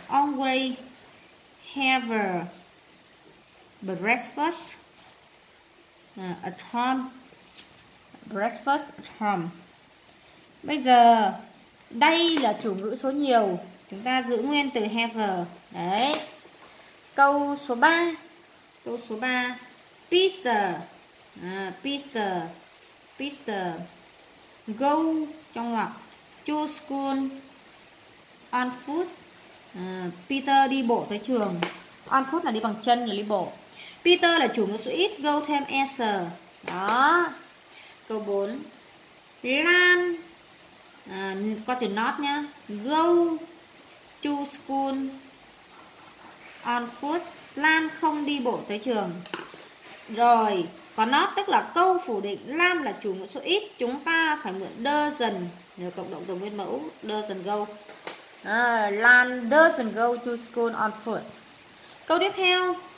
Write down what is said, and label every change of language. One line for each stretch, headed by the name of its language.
English: Always have breakfast at home. Breakfast at home.
Vietnamese: Bây giờ đây là chủ ngữ số nhiều, chúng ta giữ nguyên từ have. Đấy. Câu số 3, Peter, go trong ngoặc,
English: to school on foot.
Vietnamese: Peter đi bộ tới trường. On foot là đi bằng chân, là đi bộ. Peter là chủ ngữ số ít, go thêm s. Đó. Câu 4, Lan, có từ not nhá,
English: go to school on foot.
Vietnamese: Lan không đi bộ tới trường. Rồi, có not tức là câu phủ định. Lan là chủ ngữ số ít, chúng ta phải mượn doesn't, nhờ cộng động từ nguyên mẫu,
English: doesn't go. Lan doesn't go to school on foot.
Vietnamese: Câu tiếp theo.